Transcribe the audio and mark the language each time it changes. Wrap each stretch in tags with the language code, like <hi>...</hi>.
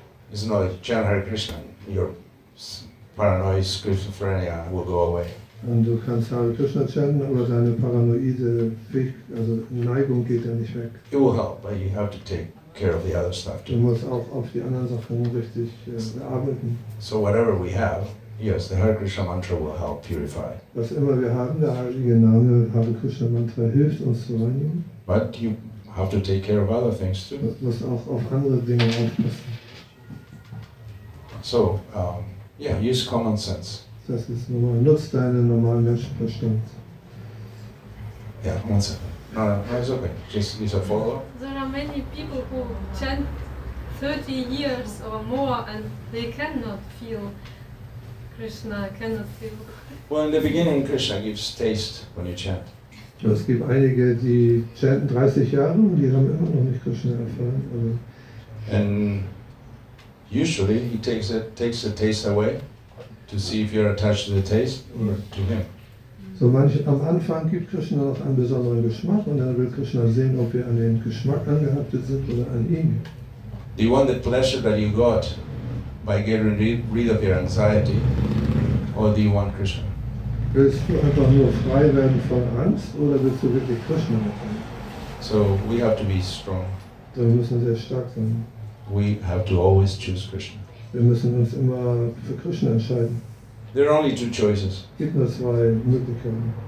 <en>It's not like chant Hare Krishna, your paranoid schizophrenia will go away.</en> <de>Und du kannst Hare Krishna chanten, aber deine paranoide Neigung geht dann nicht weg.</de> <en>It will help, but you have to take care of the other stuff too.</en> <de>Du musst auch auf die anderen Sachen richtig arbeiten.</de> <en>So whatever we have, yes, the Hare Krishna mantra will help purify.</en> <de>Was immer wir haben, der heilige Name Hare Krishna mantra hilft uns zu reinigen.</de> <en>But you have to take care of other things too.</en> <de>Du musst auch auf andere Dinge aufpassen.</de> <en>So, use common sense.</en> <de>Das ist normal. Nutz deinen normalen Menschenverstand.</de> <en>Yeah, common sense. No, it's okay. Just is a follow. There are many people who chant 30 years or more, and they cannot feel. Krishna cannot feel. Well, in the beginning, Krishna gives taste when you chant.</en> <de>Es gibt einige, die chanten 30 Jahre und die haben immer noch nicht Krishna erfahren.</de> <en>And usually he takes the taste away to see if you're attached to the taste or to him.</en> <de>So am Anfang gibt Krishna noch einen besonderen Geschmack und dann will Krishna sehen, ob wir an den Geschmack angehaftet sind oder an ihn.</de> <en>Do you want the pleasure that you got by getting rid of your anxiety, or do you want Krishna?</en> <de>Willst du einfach nur frei werden von Angst oder willst du wirklich Krishna mitnehmen?</de> <en>So we have to be strong.</en> <de>So wir müssen sehr stark sein.</de> <en>We have to always choose Krishna.</en> <de>Wir müssen uns immer für Krishna entscheiden.</de> <en>There are only two choices.</en> <de>Gibt nur zwei Möglichkeiten.</de>